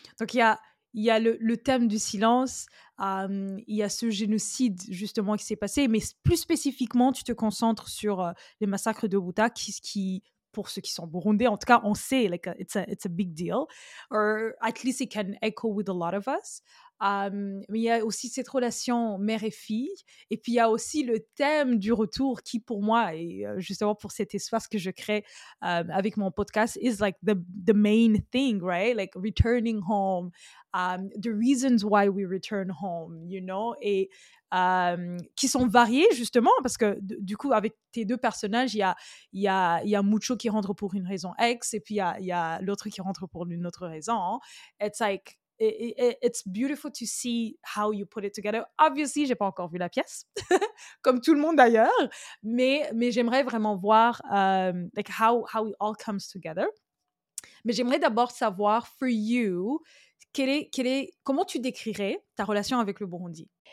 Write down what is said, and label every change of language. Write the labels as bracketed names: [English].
[French] Donc, il y a le thème du silence, il y a ce génocide justement qui s'est passé, mais plus spécifiquement, tu te concentres sur les massacres de Bouta, qui pour ceux qui sont burundais, en tout cas, on sait, [English] like, it's a big deal, or at least it can echo with a lot of us. [French] Mais il y a aussi cette relation mère et fille, et puis il y a aussi le thème du retour qui, pour moi, et justement pour cet espace que je crée avec mon podcast, [English] is like the main thing, right? Like returning home, the reasons why we return home, you know? [French] Et qui sont variés, justement, parce que du coup, avec tes deux personnages, il y a Mucho qui rentre pour une raison X, et puis il y a l'autre qui rentre pour une autre raison. Hein. [English] It's like, it's beautiful to see how you put it together. [French] Obviously, j'ai pas encore vu la pièce, comme tout le monde d'ailleurs, mais j'aimerais vraiment voir [English] like how it all comes together. [French] Mais j'aimerais d'abord savoir, [English] for you, [French] comment tu décrirais ta relation avec le Burundi?